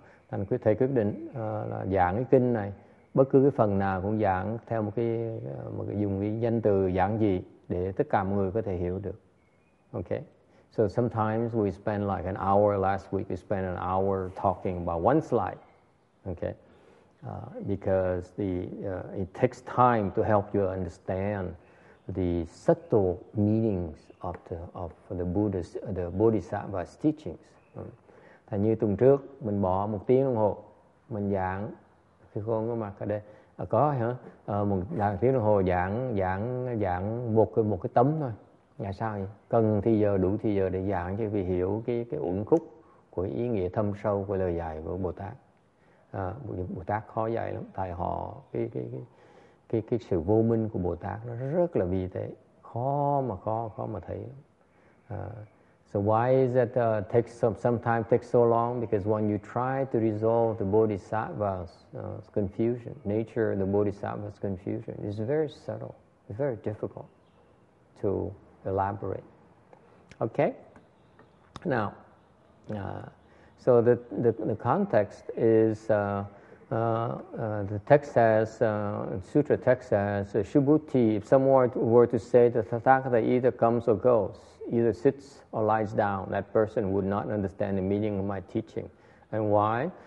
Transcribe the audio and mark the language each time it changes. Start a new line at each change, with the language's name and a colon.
Vietnamese: Thành quyết thầy quyết định là giảng cái kinh này bất cứ cái phần nào cũng giảng theo một cái dùng cái danh từ giảng gì để tất cả mọi người có thể hiểu được.
English: Okay. So sometimes we spend like an hour. Last week we spent an hour talking about one slide. Okay. Because it takes time to help you understand the subtle meanings of the Bodhisattva's teachings.
Vietnamese: Thành như tuần trước mình bỏ một tiếng đồng hồ mình giảng, khi con có mặt ở đây có hả, một tiếng đồng hồ giảng một cái tấm thôi. Nhà sao vậy? Cần thì giờ đủ thì giờ để giảng chứ, vì hiểu cái uẩn khúc của ý nghĩa thâm sâu của lời dạy của Bồ Tát. Bồ Tát khó dạy lắm, tại họ cái sự vô minh của Bồ Tát nó rất là vi tế, khó mà thấy.
English: So why is it takes sometimes takes so long? Because when you try to resolve the Bodhisattva's confusion, nature of the Bodhisattva's confusion, it's very subtle, very difficult to elaborate. Okay? Now, so the context is the text says, sutra text says, Shubhuti, if someone were to say that the Tathagata either comes or goes, either sits or lies down, that person would not understand the meaning of my teaching. And why?